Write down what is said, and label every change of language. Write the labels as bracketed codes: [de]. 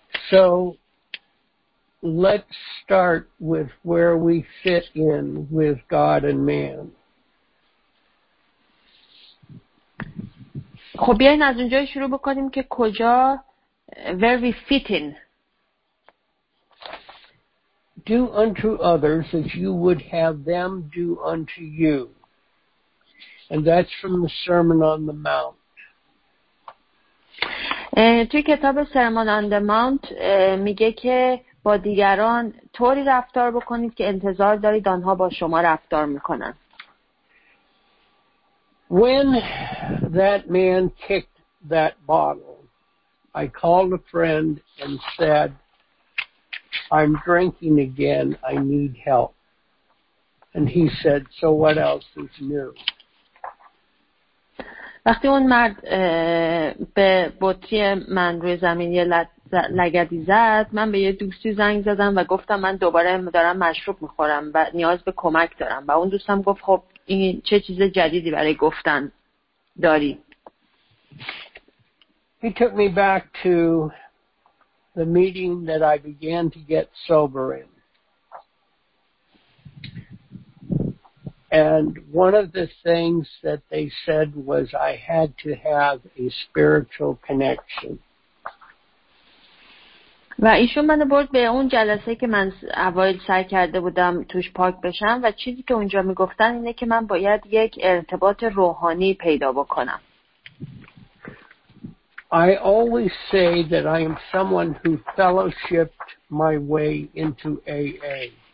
[en] So let's start with where we fit in with God and man. [fa] خب بیاین از اونجای شروع بکنیم که کجا [en] where we fit in. Do unto others as you would have them do unto you. And that's from the Sermon on the Mount. [fa] توی کتاب Sermon on the Mount میگه که با دیگران طوری رفتار بکنید که انتظار دارید آنها با شما رفتار میکنن. [en] When that man kicked that bottle, I called a friend and said, I'm drinking again, I need help. And he said, so what else is new? [fa] وقتی اون مرد به بطری من روی زمین یه لگدی زد، من به یه دوستی زنگ زدم و گفتم من دوباره دارم مشروب میخورم و نیاز به کمک دارم و اون دوستم گفت خب این چه چیز جدیدی برای گفتن داری؟ [en] He took me back to the meeting that I began to get sober in. And one of the things that they said was I had to have a spiritual connection. [fa] و ایشون منو برد به اون جلسه که من اوایل سعی کرده بودم توش پاک بشم و چیزی که اونجا میگفتن اینه که من باید یک ارتباط روحانی پیدا بکنم. [en] I always say that I am someone who fellowshipped my way into AA.